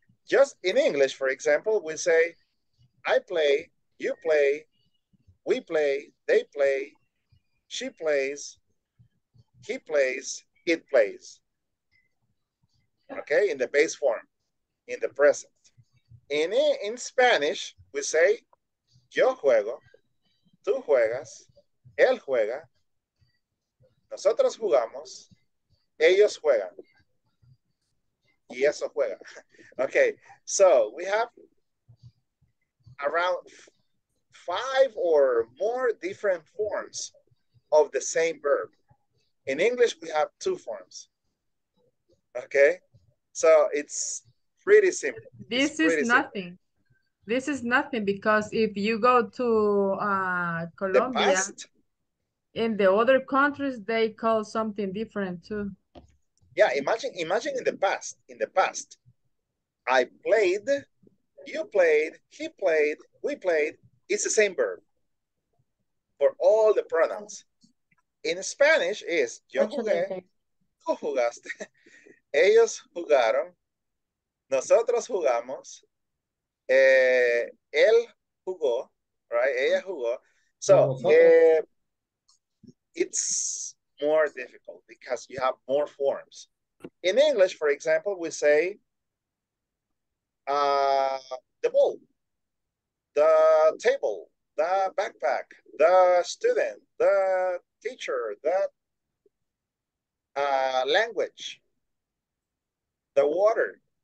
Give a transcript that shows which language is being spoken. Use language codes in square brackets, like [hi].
[en] Just in English, for example, we say, I play, you play, we play, they play, she plays, he plays, it plays. okay, in the base form, in the present. In Spanish, we say, [es] yo juego, tú juegas, él juega, nosotros jugamos, ellos juegan. Y eso juega. [en] Okay, so we have around five or more different forms of the same verb. In English, we have two forms. Okay, so it's pretty simple. This is nothing. This is nothing because if you go to Colombia, in the other countries, they call something different too. Yeah, imagine in the past, I played, you played, he played, we played. It's the same verb for all the pronouns. In Spanish, is [es] yo jugué, tú jugaste, ellos jugaron, nosotros jugamos, él jugó, [en] right? [es] Ella jugó. [en] So it's more difficult because you have more forms. In English, for example, we say the ball, the table, the backpack, the student, the teacher, the language, the water.